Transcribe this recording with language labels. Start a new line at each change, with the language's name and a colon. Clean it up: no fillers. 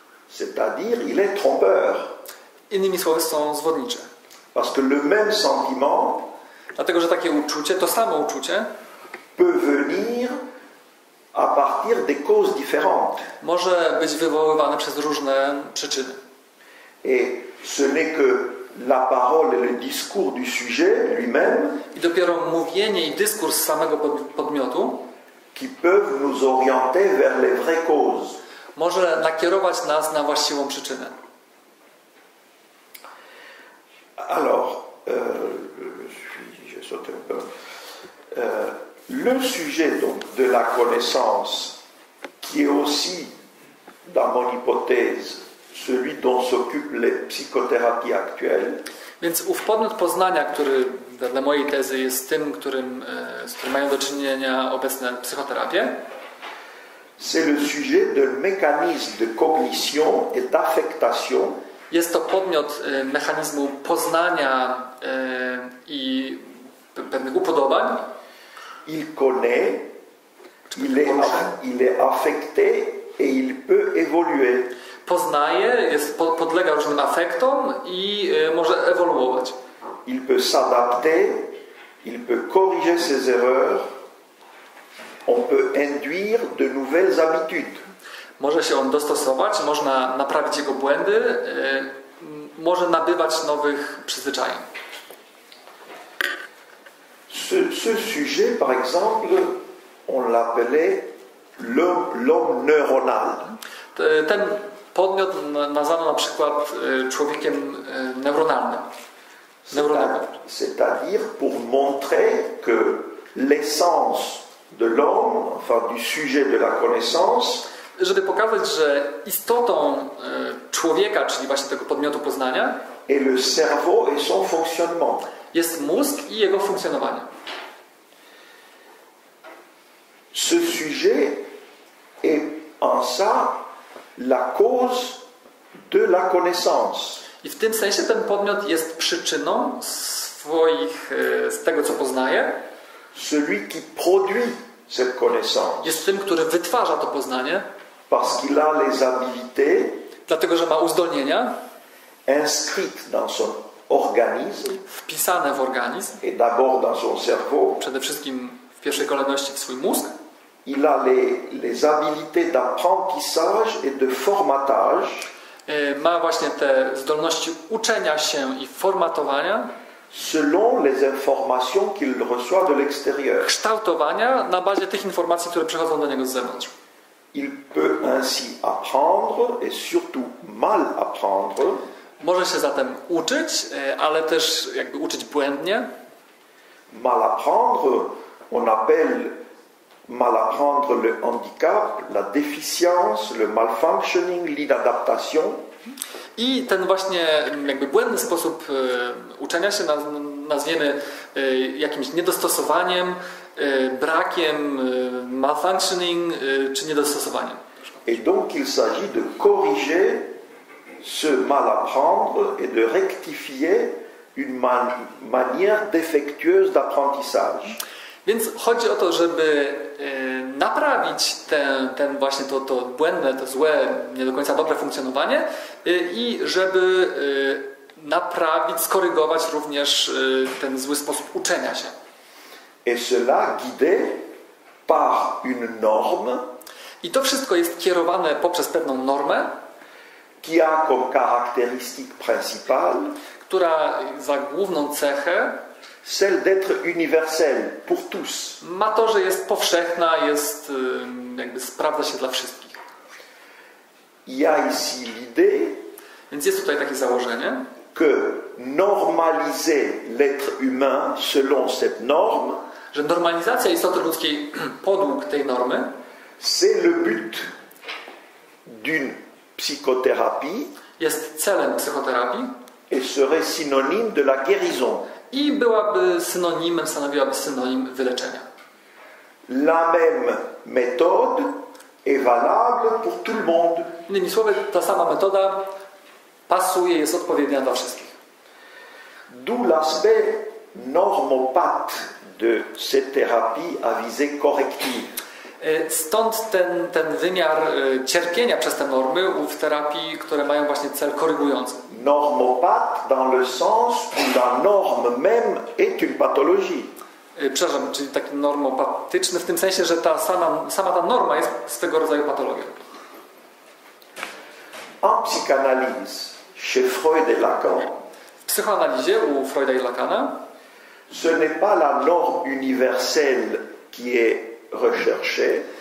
French: C'est-à-dire, il est trompeur.
Polish: Innymi słowy, są zwodnicze.
French: Parce que le même sentiment,
Polish: dlatego, że takie uczucie, to samo uczucie,
French: peut venir à partir des causes différentes.
Polish: Może być wywoływane przez różne przyczyny.
French: Et ce n'est que la parole et le discours du sujet lui-même,
Polish: i dopiero mówienie i dyskurs samego podmiotu,
French: qui peuvent nous orienter vers les vraies causes.
Polish: Może nakierować nas na właściwą przyczynę.
French: Alors, je saute un peu. Le sujet donc de la connaissance, qui est aussi, dans mon hypothèse, celui dont s'occupent les psychothérapies actuelles.
Polish: Więc ów podmiot poznania, który dla mojej tezy jest tym, którym, z którym mają do czynienia obecne psychoterapie.
French: C'est le sujet de mécanisme de cognition et d'affectation.
Polish: Jest to podmiot mechanizmu poznania i pewnych upodobań.
French: Il connaît, il est affecté et il peut évoluer.
Polish: Poznaje, jest, podlega różnym afektom i może ewoluować.
French: Il peut s'adapter, il peut corriger ses erreurs. On peut induire de nouvelles habitudes.
Polish: Może się on dostosować, można naprawić jego błędy, może nabywać nowych przyzwyczajeń.
French: Ce sujet, par exemple, on l'appelait l'homme neuronal.
Polish: Ten podmiot nazwano na przykład człowiekiem neuronalnym.
French: C'est-à-dire pour montrer que l'essence de l'homme, enfin du sujet de la connaissance,
Polish: żeby pokazać, że istotą człowieka, czyli właśnie tego podmiotu poznania,
French: est le cerveau et son fonctionnement.
Polish: Jest mózg i jego funkcjonowanie.
French: Ce sujet est en ça la cause de la connaissance.
Polish: I w tym sensie ten podmiot jest przyczyną swoich, z tego, co poznaje.
French: Celui qui produit cette connaissance.
Polish: Jest tym, który wytwarza to poznanie.
French: Parce qu'il a les habiletés,
Polish: dlatego, że ma uzdolnienia.
French: Inscrite dans son organisme,
Polish: wpisane w organizm.
French: Et d'abord dans son cerveau.
Polish: Przede wszystkim w pierwszej kolejności w swój mózg.
French: Il a les habiletés d'apprentissage et de formatage.
Polish: Ma właśnie te zdolności uczenia się i formatowania
French: selon les informations qu'il reçoit de l'extérieur.
Polish: Kształtowania na bazie tych informacji, które przychodzą do niego z zewnątrz.
French: Il peut ainsi apprendre et surtout mal apprendre.
Polish: Może się zatem uczyć, ale też jakby uczyć błędnie.
French: Mal apprendre, on appelle mal apprendre le handicap, la déficience, le malfunctioning, l'inadaptation.
Polish: I ten właśnie jakby błędny sposób uczenia się nazwiemy jakimś niedostosowaniem, brakiem, malfunctioning czy niedostosowaniem.
French: Et donc il s'agit de corriger ce mal apprendre et de rectifier une manière défectueuse d'apprentissage.
Polish: Więc chodzi o to, żeby naprawić ten właśnie to błędne, to złe, nie do końca dobre funkcjonowanie i żeby naprawić, skorygować również ten zły sposób uczenia się.
French: Et cela guidé par une norme.
Polish: I to wszystko jest kierowane poprzez pewną normę,
French: qui a comme caractéristique principale,
Polish: która za główną cechę
French: celle d'être universelle pour tous.
Polish: Ma to, że jest powszechna, jest jakby sprawdza się dla wszystkich.
French: Il y a ici l'idée,
Polish: więc jest tutaj takie założenie,
French: que normaliser l'être humain selon cette norme,
Polish: że normalizacja istoty ludzkiej podług tej normy,
French: c'est le but d'une psychothérapie,
Polish: jest celem psychoterapii,
French: et serait synonyme de la guérison.
Polish: I byłaby synonimem, stanowiłaby synonim wyleczenia.
French: La même méthode est valable pour tout le monde.
Polish: Innymi słowy, ta sama metoda pasuje, jest odpowiednia dla wszystkich.
French: D'où l'aspect normopathe de cette thérapie à visée corrective.
Polish: Stąd ten wymiar cierpienia przez te normy w terapii, które mają właśnie cel korygujący.
French: Normopathe dans le sens où la norme même est une pathologie.
Polish: Przepraszam, czyli taki normopatyczny w tym sensie, że ta sama ta norma jest swego rodzaju patologią.
French: En psychanalyse, chez Freud et Lacan,
Polish: w psychoanalizie u Freuda i Lacana,
French: ce n'est pas la norme universelle qui est recherchée.